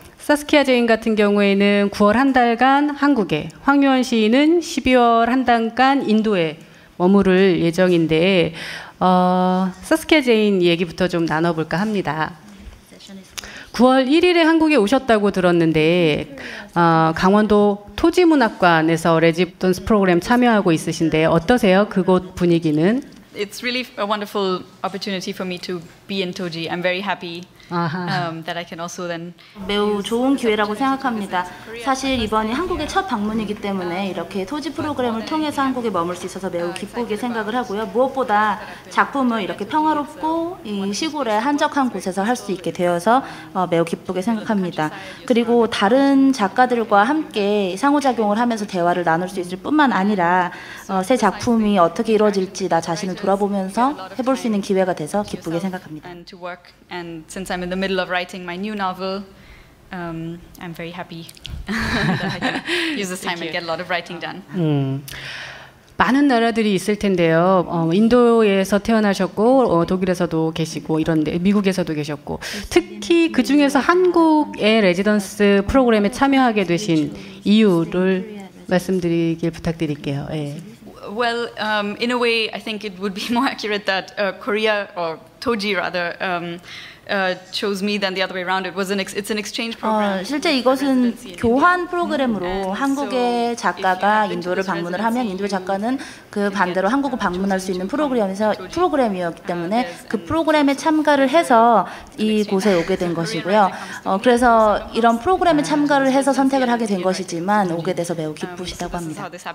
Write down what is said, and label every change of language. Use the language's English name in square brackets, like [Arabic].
[Korean] 사스키아 제인 같은 경우에는 9월 한 달간 한국에, 황유원 시인은 12월 한 달간 인도에 머무를 예정인데 사스키아 제인 얘기부터 좀 나눠볼까 합니다. 9월 1일에 한국에 오셨다고 들었는데 강원도 토지문학관에서 레지던스 프로그램 참여하고 있으신데 어떠세요? 그곳 분위기는? [English] It's really a wonderful opportunity for me to be in Toji. I'm very happy. That I can also then [Korean] 매우 좋은 기회라고 생각합니다. 사실 이번이 한국의 첫 방문이기 때문에 이렇게 토지 프로그램을 통해서 한국에 머물 수 있어서 매우 기쁘게 생각을 하고요. 무엇보다 작품을 이렇게 평화롭고 이 시골의 한적한 곳에서 할 수 있게 되어서 매우 기쁘게 생각합니다. 그리고 다른 작가들과 함께 상호작용을 하면서 대화를 나눌 수 있을 뿐만 아니라 새 작품이 어떻게 이루어질지 나 자신을 돌아보면서 해볼 수 있는 기회가 돼서 기쁘게 생각합니다. [English] Since I'm in the middle of writing my new novel, I'm very happy that I can use this time and get a lot of writing done. [Korean] 많은 나라들이 있을 텐데요. 인도에서 태어나셨고 독일에서도 계시고 이런데 미국에서도 계셨고 특히 그 중에서 한국의 레지던스 프로그램에 참여하게 되신 이유를 말씀드리길 부탁드릴게요. 예. [English] Well, in a way, I think it would be more accurate that Korea or Toji rather. Chose me than the other way around. It was an it's an exchange program. [Korean] 실제 이것은 교환 프로그램으로 한국의 작가가 인도를 방문을 하면 인도의 작가는 그 반대로 한국을 방문할 수 있는 프로그램이었기 때문에 그 프로그램에 참가를 해서 이곳에 오게 된 것이고요. 그래서 이런 프로그램에 참가를 해서 선택을 하게 된 것이지만 오게 돼서 매우 기쁘시다고 합니다.